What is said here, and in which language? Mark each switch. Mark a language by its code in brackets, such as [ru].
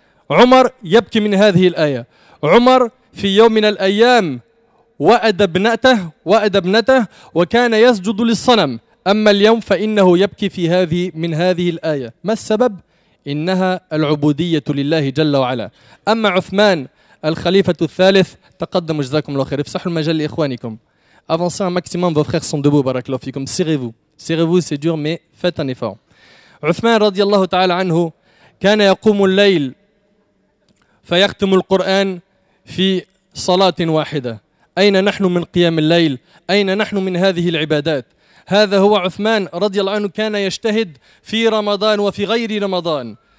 [ar] عمر يبكي من هذه الآية. عمر في يوم من الأيام وأد ابنته وكان يسجد للصنم، أما اليوم فإنه يبكي في هذه من هذه الآية. ما السبب؟ إنها العبودية لله جل وعلا. أما عثمان الخليفة الثالث، تقدم جزاكم الله خير، افسحوا المجال لإخوانكم. [fr] Avancez un maximum vos frères sont debout barakallahu fikum. Serrez-vous, c'est dur mais faites un effort. [ar] Uthman رضي الله تعالى عنه كان يقوم الليل فيختم القرآن في صلاة واحدة. أين نحن من قيام الليل؟ أين نحن من هذه العبادات؟ هذا هو عثمان رضي الله عنه كان يجتهد في رمضان وفي غير رمضان.